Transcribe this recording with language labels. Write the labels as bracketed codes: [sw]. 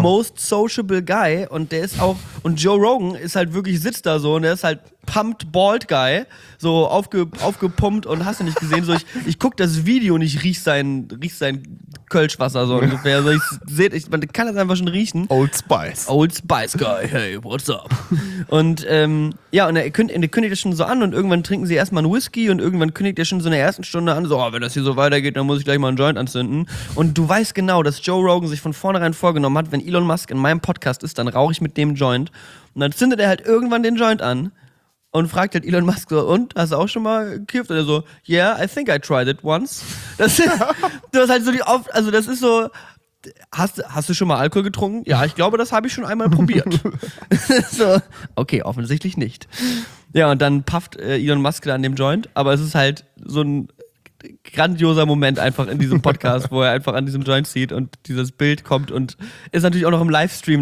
[en] most sociable guy. [de] Und der ist auch, und Joe Rogan ist halt wirklich, sitzt da so und der ist halt [en] pumped bald guy. [de] So aufgepumpt und hast du nicht gesehen. So, ich guck das Video und ich riech sein Kölschwasser so ungefähr. So, ich sehe, man kann das einfach schon riechen. [en] Old Spice. Old Spice guy, hey, what's up? [de] Und ja, und er kündigt das schon so an und irgendwann trinken sie erstmal einen Whisky und irgendwann kündigt er schon so in der ersten Stunde an, so, oh, wenn das hier so weitergeht, dann muss ich gleich mal einen Joint anzünden. Und du weißt genau, dass Joe Rogan sich von vornherein vorgenommen hat, wenn Elon Musk in meinem Podcast ist, dann rauche ich mit dem Joint. Und dann zündet er halt irgendwann den Joint an und fragt halt Elon Musk so, und, hast du auch schon mal gekifft? Und er so, [en] yeah, I think I tried it once. [de] Das ist, du hast halt so die oft, also das ist so, hast du schon mal Alkohol getrunken? Ja, ich glaube, das habe ich schon einmal probiert. So, okay, offensichtlich nicht. Ja, und dann pafft Elon Musk da an dem Joint, aber es ist halt so ein grandioser Moment einfach in diesem Podcast, wo er einfach an diesem Joint zieht und dieses Bild kommt und ist natürlich auch noch im Livestream.